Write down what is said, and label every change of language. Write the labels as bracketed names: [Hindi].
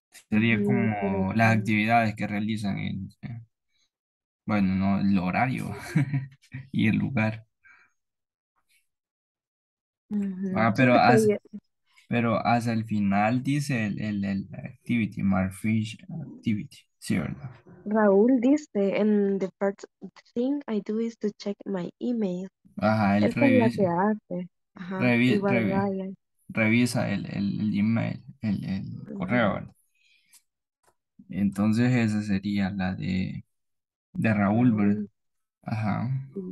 [Spanish] Sería como las actividades que realizan en, bueno, no, el horario y el lugar. Uh-huh. Ah, pero, hasta el final dice el activity, Marfish activity, sí, ¿verdad? Raúl dice, [English] and the first thing I do is to check my email. [Spanish] Ajá, él revisa el email, el correo, ¿verdad? Entonces esa sería la de Raúl, ¿verdad? Ajá.